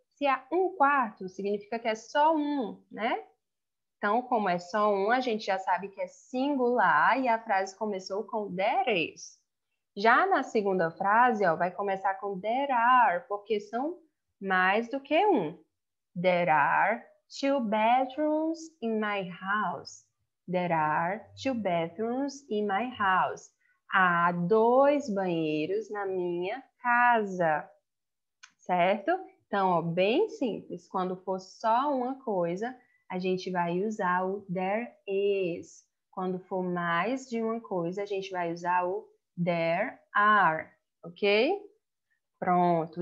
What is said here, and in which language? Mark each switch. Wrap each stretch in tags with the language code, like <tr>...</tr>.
<pt>Se há um quarto, significa que é só um, né? Então, como é só um, a gente já sabe que é singular e a frase começou com there is. Já na segunda frase, ó, vai começar com there are, porque são mais do que um.</pt> <en>There are two bedrooms in my house. There are two bedrooms in my house.</en> <pt>Há dois banheiros na minha casa. Certo? Então, ó, bem simples. Quando for só uma coisa, a gente vai usar o there is. Quando for mais de uma coisa, a gente vai usar o there are, ok? Pronto.</pt>